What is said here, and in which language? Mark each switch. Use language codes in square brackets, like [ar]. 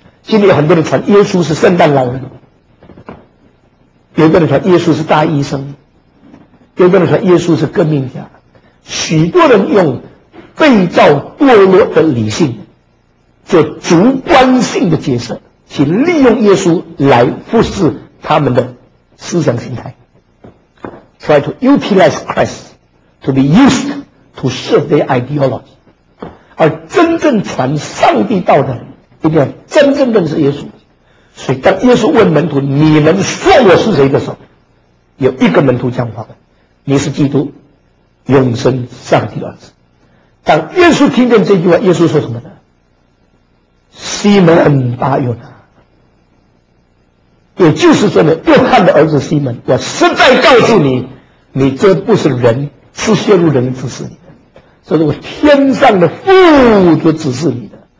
[zh] 今天有很多人传耶稣是圣诞老人，有的人传耶稣是大医生，有的人传耶稣是革命家，许多人用被造堕落的理性做主观性的解释，去利用耶稣来复制他们的思想形态。 [en] Try to utilize Christ to be used to serve their ideology。 [zh] 而真正传上帝道的人一定要真正认识耶稣。所以当耶稣问门徒你们说我是谁的时候，有一个门徒讲话，你是基督永生上帝的儿子。当耶稣听见这句话，耶稣说什么呢？西门巴约拿，也就是说呢，约翰的儿子西门，我实在告诉你，你这不是人，是陷入人之事，这是我天上的父就指示你的。